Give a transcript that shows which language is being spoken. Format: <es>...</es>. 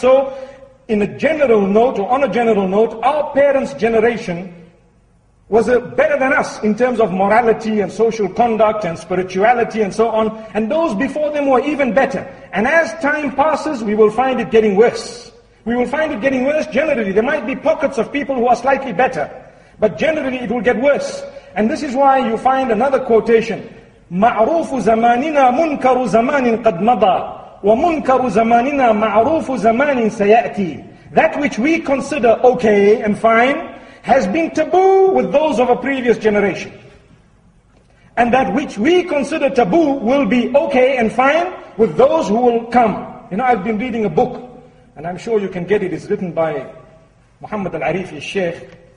<en>So, in a general note, or on a general note, our parents' generation was better than us in terms of morality and social conduct and spirituality and so on. And those before them were even better. And as time passes, we will find it getting worse. We will find it getting worse generally. There might be pockets of people who are slightly better, but generally it will get worse. And this is why you find another quotation,</en> <ar>مَعْرُوفُ زَمَانِنَا مُنْكَرُ زَمَانٍ قَدْ مَضَى وَمُنْكَرُ زَمَانِنَا مَعْرُوفُ زَمَانٍ سَيَأْتِي.</ar> <en>That which we consider okay and fine has been taboo with those of a previous generation. And that which we consider taboo will be okay and fine with those who will come. You know, I've been reading a book, and I'm sure you can get it. It's written by Muhammad Al-Arifi, Sheikh.</en>